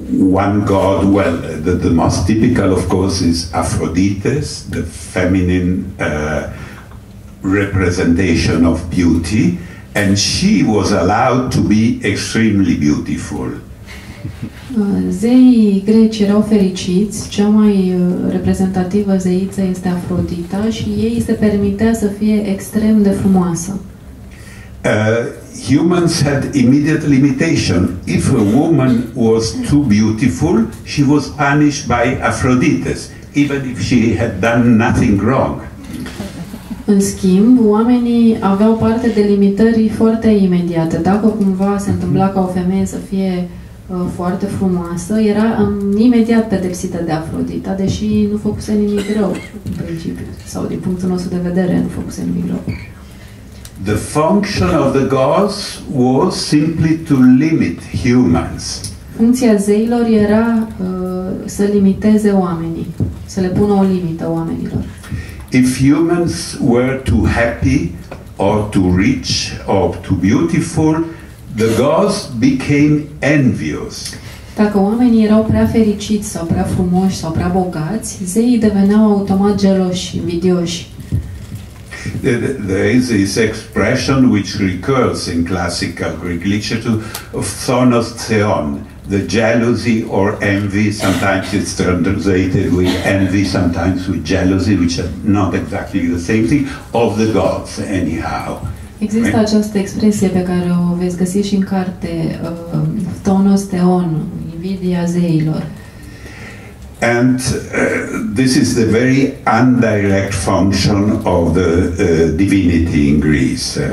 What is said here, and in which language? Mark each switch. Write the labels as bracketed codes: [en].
[en] One god, well, the most typical, of course, is Aphrodite, the feminine representation of beauty, and she was allowed to be extremely beautiful. [ro] Zeii greci erau fericiți, cea mai reprezentativă zeiță este Afrodita și ei se permitea să fie extrem de frumoasă. [en] Humans had immediate limitation. If a woman was too beautiful, she was punished by Aphrodite, even if she had done nothing wrong. [ro] În schimb, oamenii aveau parte de limitări foarte imediate. Dacă cumva se întâmpla ca o femeie să fie foarte frumoasă, era imediat pedepsită de Afrodita, deși nu făcuse nimic rău, în principiu, sau din punctul nostru de vedere, nu făcuse nimic rău. [en] The function of the gods was simply to limit humans. [ro] Funcția zeilor era să limiteze oamenii, să le pună o limită oamenilor. [en] If humans were too happy or too rich or too beautiful, the gods became envious. [ro] Dacă oamenii erau prea fericiți sau prea frumoși sau prea bogați, zeii deveneau automat geloși, invidioși. [en] There is this expression which recurs in classical Greek literature of Thonos Theon, the jealousy or envy, sometimes it's translated with envy, sometimes with jealousy, which are not exactly the same thing, of the gods anyhow. [ro] Există această expresie pe care o veți găsi și în carte, Thonos Theon, invidia zeilor. [en] And this is the very indirect function of the divinity in Greece.